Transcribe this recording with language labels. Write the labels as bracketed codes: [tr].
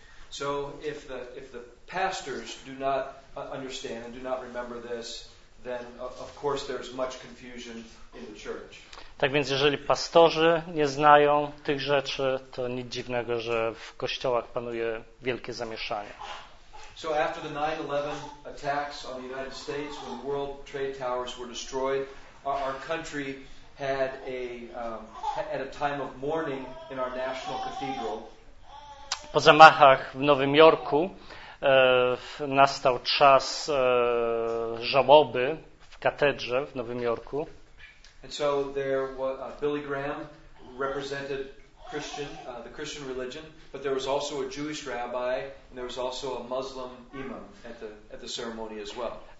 [en] So if the pastors do not understand and do not remember this, then of course there's much confusion in the church. [pl] Tak więc jeżeli pastorzy nie znają tych rzeczy, to nic dziwnego, że w kościołach panuje wielkie zamieszanie. [en] So after the 9/11 attacks on the United States, when the World Trade Towers were destroyed, our country had a time of mourning in our national cathedral. [pl] Po zamachach w Nowym Jorku nastał czas żałoby w katedrze w Nowym Jorku. [en] And so there was Billy Graham represented the Christian religion, but there was also a Jewish rabbi and there was also a Muslim imam at the ceremony as well.